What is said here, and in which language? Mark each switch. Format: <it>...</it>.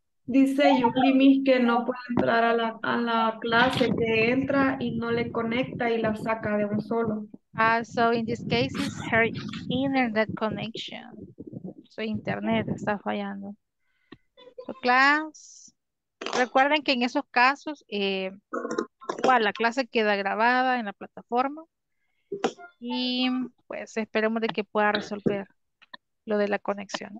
<es>Dice Yuklimi que no puede entrar a la clase, que entra y no le conecta y la saca de un solo.</es> <en>So in this case, it's her internet connection.</en> <es>Su internet está fallando. So class, recuerden que en esos casos, igual, la clase queda grabada en la plataforma. Y pues esperemos de que pueda resolver lo de la conexión.</es>